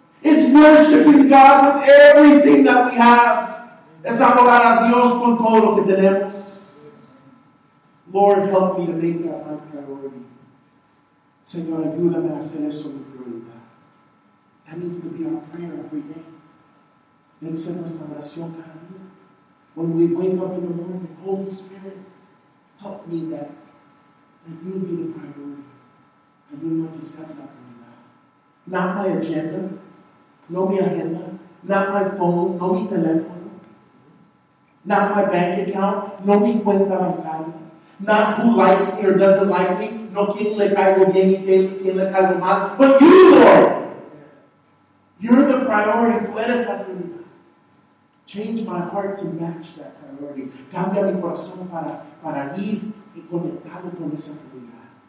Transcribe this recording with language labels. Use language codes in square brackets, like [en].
[en] It's worshiping God with everything that we have. [es] Es adorar a Dios con todo lo que tenemos. [en] Lord, help me to make that my priority. [es] Señor, ayúdame a hacer eso mi prioridad. [en] That needs to be our prayer every day. [es] Debe ser nuestra oración cada día. [en] When we wake up in the morning, the Holy Spirit, help me that. That you be the priority. And you know what he says about me now. Not my agenda. [es] No mi agenda. [en] Not my phone. [es] No mi teléfono. [en] Not my bank account. [es] No mi cuenta bancaria. [en] Not who likes me or doesn't like me. [es] No quien le caigo bien y quien le caigo mal. [en] But you, Lord! You're the priority. [es] Tú eres la prioridad. [en] Change my heart to match that priority. [es] Cambia mi corazón para ir y conectado con esa prioridad.